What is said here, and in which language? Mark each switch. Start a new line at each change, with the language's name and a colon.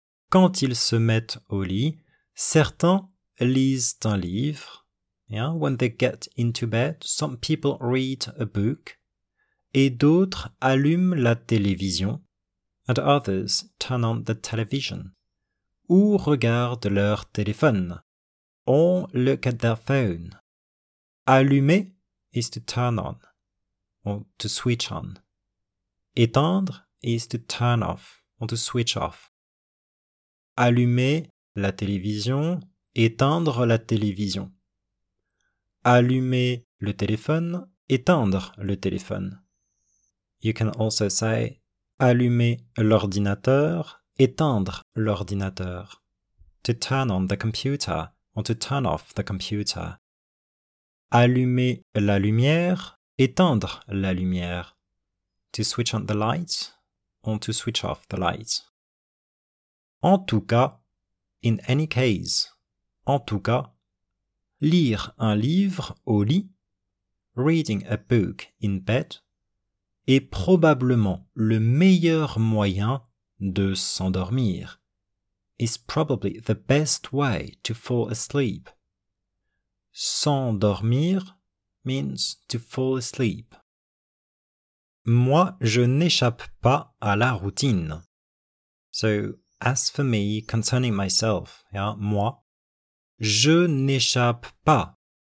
French: Quand ils se mettent au lit, certains lisent un livre.
English: Yeah, when they get into bed, some people read a book.
French: Et d'autres allument la télévision.
English: And others turn on the television.
French: Ou regardent leur téléphone.
English: Or look at their phone. Allumer is to turn on. Or to switch on. Éteindre is to turn off. Or to switch off.
French: Allumer la télévision. Éteindre la télévision. Allumer le téléphone, éteindre le téléphone.
English: You can also say
French: allumer l'ordinateur, éteindre l'ordinateur.
English: To turn on the computer or to turn off the computer.
French: Allumer la lumière, éteindre la lumière.
English: To switch on the light or to switch off the light.
French: En tout cas,
English: in any case,
French: en tout cas, lire un livre au lit,
English: reading a book in bed,
French: est probablement le meilleur moyen de s'endormir.
English: Is probably the best way to fall asleep. S'endormir means to fall asleep.
French: Moi, je n'échappe pas à la routine.
English: So, as for me, concerning myself, yeah,
French: moi, je n'échappe pas.